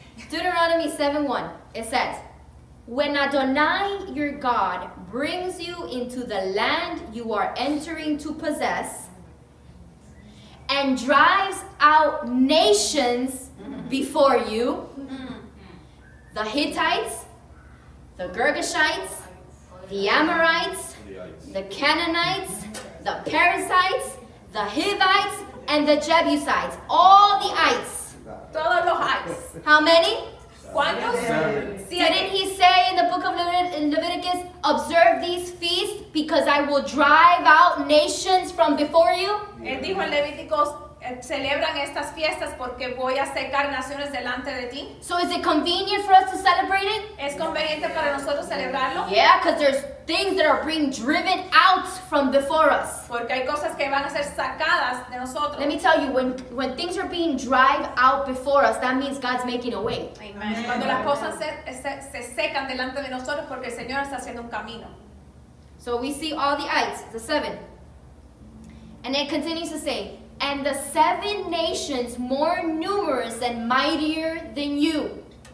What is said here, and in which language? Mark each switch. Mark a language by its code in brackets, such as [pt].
[en] Deuteronomy 7:1, it says, when Adonai, your God, brings you into the land you are entering to possess and drives out nations before you, the Hittites, the Girgashites, the Amorites, the Canaanites, the Perizzites, the Hivites, and the Jebusites, all the ites. [es] Todos los ites. [en] How many? Seven. Didn't he say in the book of Leviticus, observe these feasts because I will drive out nations from before you? [es] Él dijo en Levíticos, celebran estas fiestas porque voy a secar naciones delante de ti. [en] So is it convenient for us to celebrate it? [es] ¿Es conveniente para nosotros celebrarlo? [en] Yeah, because there's things that are being driven out from before us. [es] Porque hay cosas que van a ser sacadas de nosotros. [en] Let me tell you, when things are being driven out before us, that means God's making a way. Amen. [es] Cuando las cosas se secan delante de nosotros porque el Señor está haciendo un camino. [en] So we see all the ites, the seven. And it continues to say, and the seven nations more numerous and mightier than you.